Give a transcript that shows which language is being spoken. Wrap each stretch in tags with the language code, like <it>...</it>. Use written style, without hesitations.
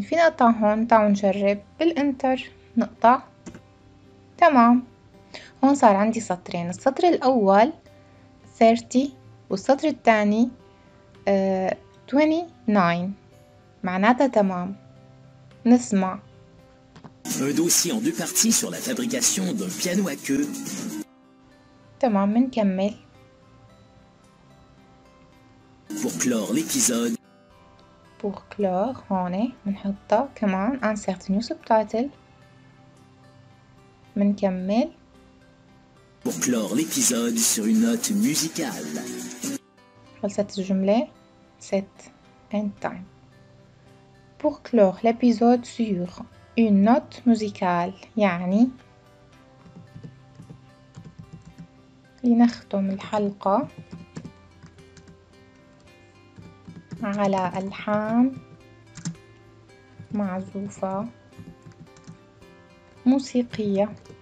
<ar>في نقطع هون، تعالوا نجرب بالانتر نقطع. تمام، هون صار عندي سطرين، السطر الاول 30 والسطر الثاني 29، معناتها تمام. نسمع</ar> <fr>Un dossier en deux parties sur la fabrication d'un piano à queue.</fr> <ar>تمام منكمل.</ar> <fr>Pour clore l'épisode. Pour clore,</fr> <ar>هون بنحطها كمان</ar> <en>insert new subtitle.</en> <ar>منكمل.</ar> <fr>Pour clore l'épisode sur une note musicale.</fr> <ar>خلصت الجملة.</ar> <en>Set end time.</en> <fr>Pour clore l'épisode sur une note musicale.</fr> <ar>يعني لنختم الحلقة على ألحان معزوفة موسيقية.</ar>